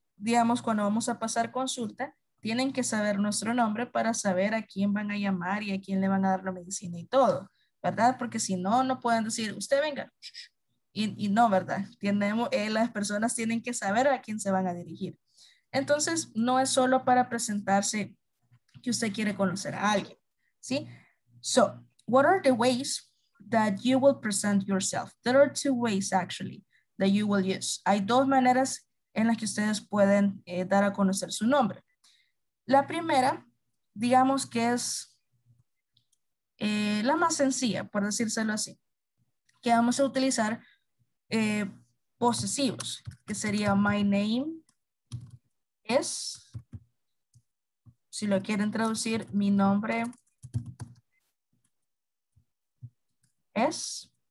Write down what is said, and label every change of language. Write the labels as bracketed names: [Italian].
[Spanish] Digamos, cuando vamos a pasar consulta, tienen que saber nuestro nombre para saber a quién van a llamar y a quién le van a dar la medicina y todo, ¿verdad? Porque si no, no pueden decir, usted venga. Y no, ¿verdad? Las personas tienen que saber a quién se van a dirigir. Entonces, no es solo para presentarse que usted quiere conocer a alguien. ¿Sí? [English] So, what are the ways that you will present yourself? There are two ways, actually, that you will use. [Spanish] Hay dos maneras en las que ustedes pueden dar a conocer su nombre. La primera, digamos que es la más sencilla, por decírselo así, que vamos a utilizar posesivos, que sería [English] my name is, [Spanish] si lo quieren traducir, mi nombre es.